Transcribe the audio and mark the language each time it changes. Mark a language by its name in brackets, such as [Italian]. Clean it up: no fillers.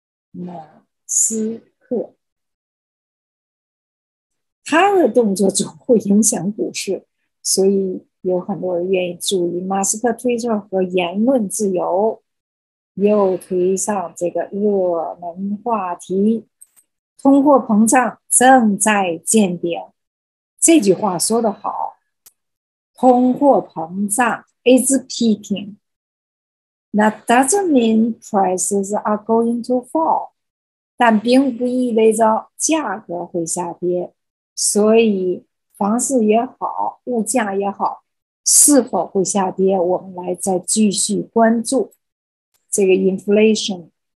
[Chinese] 马斯克他的动作总会影响股市，所以有很多人愿意注意马斯克推特和言论自由，又推上这个热门话题。通货膨胀正在见顶，这句话说得好，通货膨胀 [English] is peaking. That doesn't mean prices are going to fall. [Chinese] 但并不意味着价格会下跌，所以房市也好，物价也好，是否会下跌，我们来再继续关注这个 inflation。